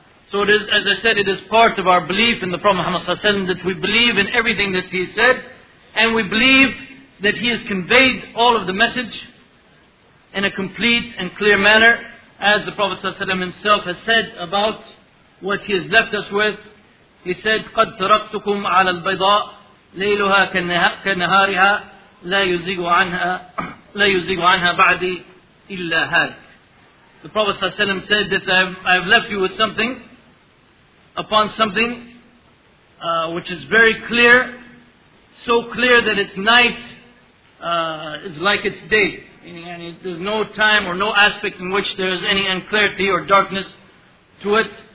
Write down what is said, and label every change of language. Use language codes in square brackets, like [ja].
[en] So it is, as I said, it is part of our belief in the Prophet Muhammad sallallahu alaihi wasallam that we believe in everything that he said, and we believe that he has conveyed all of the message in a complete and clear manner, as the Prophet sallallahu alaihi wasallam himself has said about what he has left us with. He said, [ar] قَدْ تَرَكْتُكُمْ عَلَى الْبَيْضَاءِ لَيْلُهَا كَنَهَارِهَا لَا يُزِيغُ عَنْهَا بَعْدِ إِلَّا هَلْ. [en] The Prophet ﷺ said that I have left you with something, upon something which is very clear, so clear that its night is like its day. Meaning, there's no time or no aspect in which there is any unclarity or darkness to it.